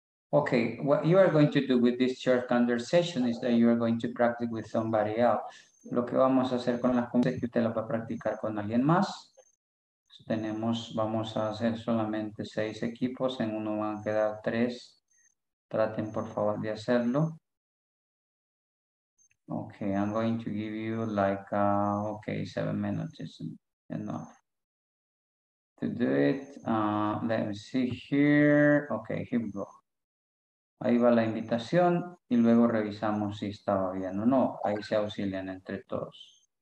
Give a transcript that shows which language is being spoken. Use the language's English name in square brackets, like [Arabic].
[English] Okay, what you are going to do with this short conversation is that you are going to practice with somebody else. [Spanish] Lo que vamos a hacer con las conversaciones es que usted las va a practicar con alguien más. Tenemos, vamos a hacer solamente 6 equipos, en uno van a quedar 3. Traten por favor de hacerlo. [English] Okay, I'm going to give you like, 7 minutes is enough to do it. Let me see here. Okay, here we go. [Spanish] Ahí va la invitación y luego revisamos si estaba bien o no. Ahí se auxilian entre todos.